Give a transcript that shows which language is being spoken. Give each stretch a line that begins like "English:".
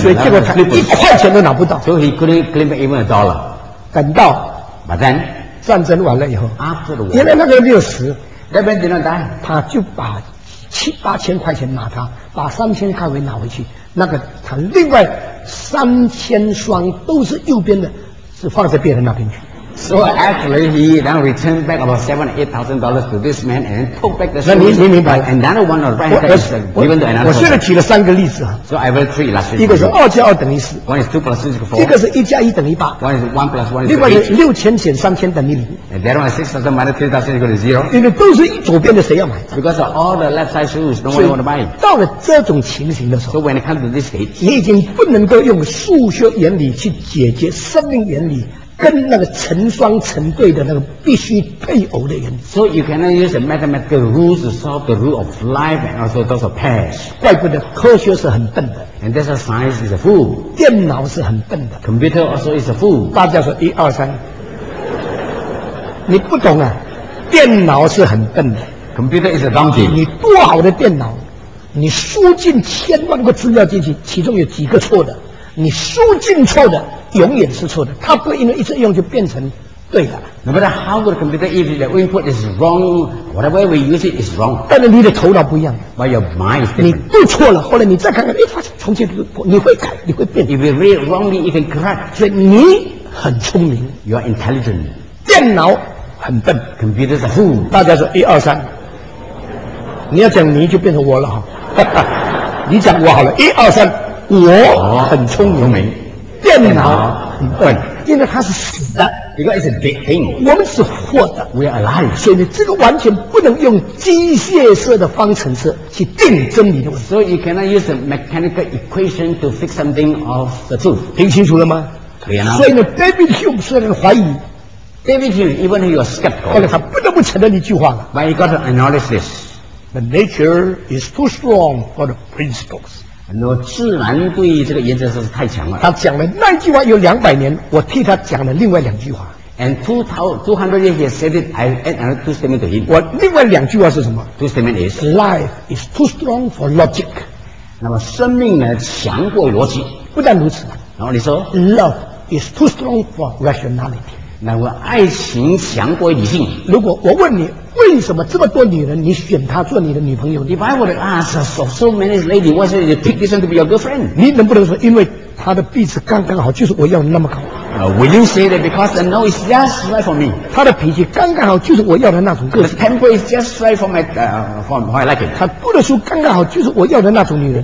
Chinese: 所以结果他一块钱都拿不到。
English: So he couldn't claim even a dollar.
Chinese: 等到
English: ，But then
Chinese: 战争完了以后
English: ，After the war,
Chinese: 原来那个人没有死
English: ，That man did not die.
Chinese: 他就把7,000-8,000块钱拿他，把3,000块钱拿回去。那个他另外3,000双都是右边的，是放在别人那边去。
English: So actually, he then returned back about $7,000-$8,000 to this man and took back the shoes.
Chinese: 那你明白
English: ？And another one of the right hand is given to another.
Chinese: 我现在举了三个例子啊。
English: So I have three last.
Chinese: 一个是2+2=4。
English: One is 2+2=4。
Chinese: 一个是1+1=8。
English: One is 1+1=8。
Chinese: 另外6,000减3,000等于0。
English: And that one is 6,000-3,000=0。
Chinese: 因为都是左边的，谁要买
English: ？Because all the left side shoes, no one want to buy.
Chinese: 到了这种情形的时候
English: ，So when it comes to this stage,
Chinese: 你已经不能够用数学原理去解决生命原理。跟那个成双成对的那个必须配偶的原
English: 则。So you cannot use a mathematical rules to solve the rule of life and also those of pairs.
Chinese: 怪不得科学是很笨的。
English: And that's why science is a fool.
Chinese: 电脑是很笨的。
English: Computer also is a fool.
Chinese: 大家说一二三，你不懂啊？电脑是很笨的。
English: Computer is a donkey.
Chinese: 你多好的电脑，你输进千万个资料进去，其中有几个错的，你输进错的。永远是错的，它不因为一次用就变成对的。
English: No matter how good a computer is, the input is wrong. Whatever we use it is wrong.
Chinese: 但是你的头脑不一样。
English: But your mind is different.
Chinese: 你对错了，后来你再看看，哎，发现从前你会改，你会变。
English: If you read wrongly, you can correct.
Chinese: 所以你很聪明。
English: You are intelligent.
Chinese: 电脑很笨。
English: Computers are fools.
Chinese: 大家说一二三，你要讲你就变成我了哈。你讲我好了，一二三，我很聪明。
English: Oh,
Chinese: 电脑很笨，因为它是死的。
English: Because it's a dead thing.
Chinese: 我们是活的
English: ，We are alive.
Chinese: 所以你这个完全不能用机械式的方程式去定真理的问题。
English: So you cannot use a mechanical equation to fix something of the truth.
Chinese: 听清楚了吗？可以了。所以呢 ，David Hume 虽然怀疑
English: ，David Hume even he was skeptical.
Chinese: 后来他不得不承认一句话了
English: ，But he got to acknowledge this: the nature is too strong for the principles.
Chinese: 那自然对这个原则是太强了。他讲了那句话有200年，我替他讲了另外两句话。
English: And two hundred years he said it. I add another two statements to him.
Chinese: 我另外两句话是什么
English: ？Two statement is life is too strong for logic.
Chinese: 那么生命呢强过逻辑。不但如此，然后你说
English: love is too strong for rationality.
Chinese: 那么爱情强过理性。如果我问你。为什么这么多女人你选她做你的女朋友
English: If I would ask so many ladies, why should you pick this one to be your girlfriend?
Chinese: 你能不能说因为她的鼻子刚刚好就是我要的那么高
English: Will you say that because the nose is just right for me?
Chinese: 她的脾气刚刚好就是我要的那种个性
English: The temper is just right for my, for my liking.
Chinese: 她读的书刚刚好就是我要的那种女人